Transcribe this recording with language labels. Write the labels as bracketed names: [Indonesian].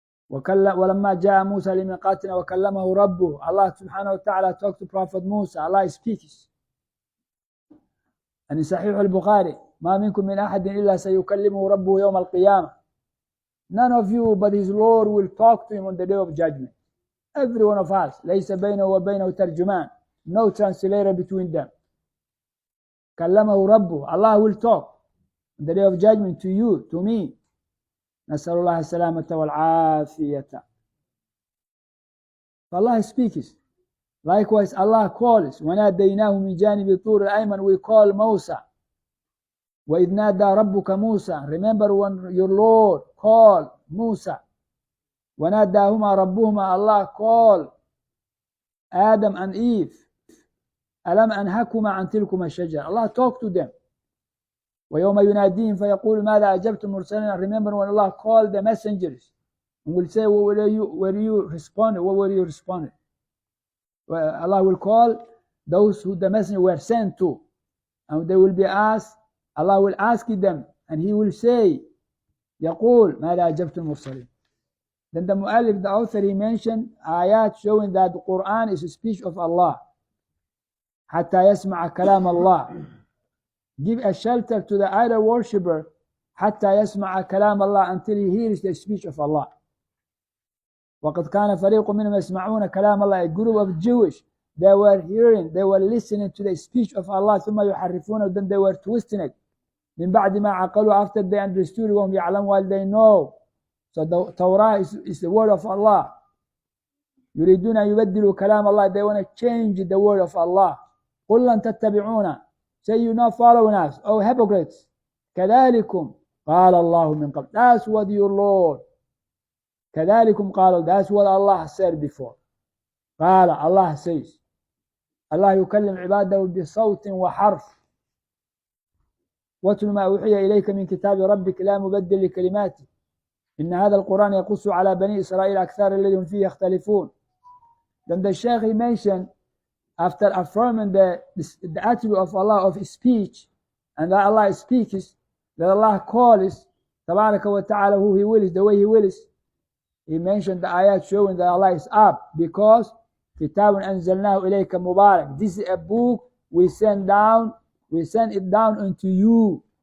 [Arabic] ولما جاء موسى لميقاتنا وكلمه ربه الله سبحانه وتعالى [English] talked to Prophet [Arabic] موسى الله [English] speaks [Arabic] أن صحيح البخاري ما منكم من أحد إلا سيكلمه ربه يوم القيامة [English] none of you but his Lord will talk to him on the day of judgment every one of us [Arabic] ليس بينه وبينه ترجمان [English] no translator between them [Arabic] كلمه ربه الله [English] will talk The day of judgment to you, to me. [Arabic] نسأل الله السلامة والعافية. [English] Allah speaks. Likewise, Allah calls. [Arabic] وناديناه من جانب الطور الأيمن. [English] We call Musa. [Arabic] وإذ نادى ربك موسى, [English] remember when your Lord called Musa. [Arabic] وناداهما ربهما, [English] Allah called Adam and Eve, [Arabic] ألم أنهكما عن تلكما الشجرة. [English] Allah talked to them. [Arabic] ويوم يناديهم فيقول ماذا أجبتم مرسلين. [English] Remember when Allah called the messengers. And will say, what were you, What were you responding? Well, Allah will call those who the messenger were sent to. And they will be asked, Allah will ask them. And he will say, [Arabic] يقول ماذا أجبتم مرسلين. [English] Then the Mu'allif, the author, he mentioned ayat showing that the Quran is a speech of Allah. [Arabic] حتى يسمع كلام الله. [English] Give a shelter to the idol worshiper [Arabic] حتى يسمع كلام الله, [English] until he hears the speech of Allah. [Arabic] وقد كان فريق منهم يسمعون كلام الله, [English] a group of Jewish, they were hearing, they were listening to the speech of Allah, [Arabic] ثم يحرفون, [English] then they were twisting it. [Arabic] من بعد ما عقلوا, [English] after they understood, [Arabic] وهم يعلم, [English] while they know. So the Torah is the word of Allah. [Arabic] يريدون أن يبدلوا كلام الله, [English] they want to change the word of Allah. [Arabic] قل لن تتبعونا, [English] say you not following us, oh hypocrites. [Arabic] كذلكم قال الله من قبل, [English] that's what your Lord, [Arabic] كذلكم قال, [English] that's what Allah said before. [Arabic] قال, [English] Allah says, [Arabic] Allah يكلم عباده بصوت وحرف. واتل ما أوحي إليك من كتاب ربك لا مبدل لكلماته إن هذا القرآن يقص على بني إسرائيل أكثر الذين فيه يختلفون. [English] Then the Sheikh mentioned, after affirming the attribute of Allah of speech, and that Allah speaks, that Allah calls, [Arabic] تبارك وتعالى, [English] who He wills, the way He wills, he mentioned the ayat showing that Allah is up, because [Arabic] كتاب أنزلناه إليك مبارك, [English] this is a book we send down, we send it down unto you.